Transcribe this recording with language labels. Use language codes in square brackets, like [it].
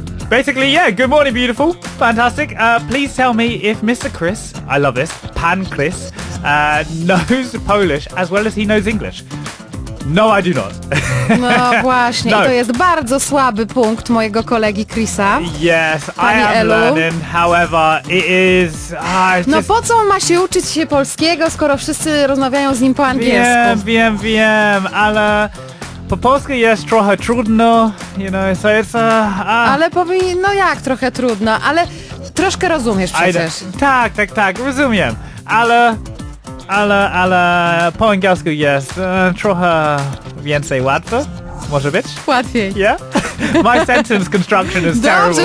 [en] Basically, yeah, good morning, beautiful. Fantastic. Please tell me if Mr. Chris, I love this, Pan Chris, knows Polish as well as he knows English. No, I do not. [pl] No, właśnie. No. I to jest bardzo słaby punkt mojego kolegi Chrisa. [en] Yes, Pani I am Elu. Learning. However, it is... [pl] No po co on ma się uczyć się polskiego, skoro wszyscy rozmawiają z nim po angielsku? Wiem, ale po polsku jest trochę trudno, [en] you know, so it's a... [pl] Ale powinien... No jak trochę trudno, ale troszkę rozumiesz przecież. Tak, rozumiem, ale... Ale po angielsku jest trochę więcej łatwo. może być? Łatwiej. [en] Yeah? My sentence construction is terrible.